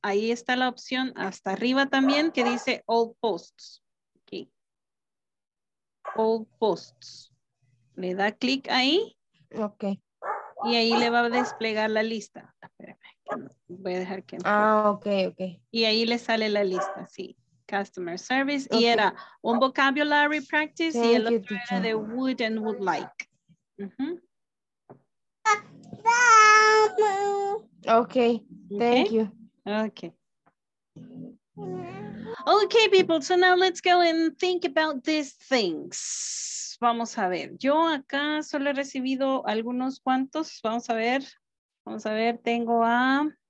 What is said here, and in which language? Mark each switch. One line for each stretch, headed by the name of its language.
Spanish: Ahí está la opción hasta arriba también que dice
English: all posts. Aquí. All posts.
Spanish: Le da clic ahí. Ok. Y ahí le va a desplegar la lista. Espérame, voy a dejar que... Ah, ok, ok. Y ahí le sale la lista, sí.
English: Customer service, okay.
Spanish: Y era un
English: vocabulary practice, thank
Spanish: y el otro era de
English: would and would like. Mm-hmm. Okay, thank you. Okay. Okay, people, so now let's go and think about these things.
Spanish: Vamos a ver, yo acá solo he recibido algunos cuantos, vamos a ver, tengo a...